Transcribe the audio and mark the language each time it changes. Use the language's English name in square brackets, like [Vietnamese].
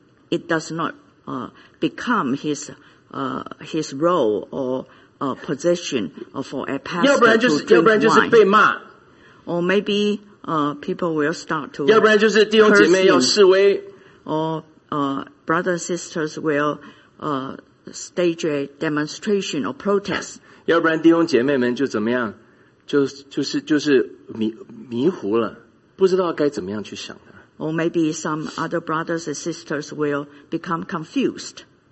[English] It does not become his role or position for a pastor. [Chinese] 要不然就是被骂。 [English] Or maybe people will start to. [Chinese] 要不然就是弟兄姐妹要示威。 [English] Or brothers and sisters will stage a demonstration or protest. [Chinese] 要不然弟兄姐妹们就怎么样？就是迷糊了，不知道该怎么样去想的。 [English] Or maybe some other brothers and sisters will become confused.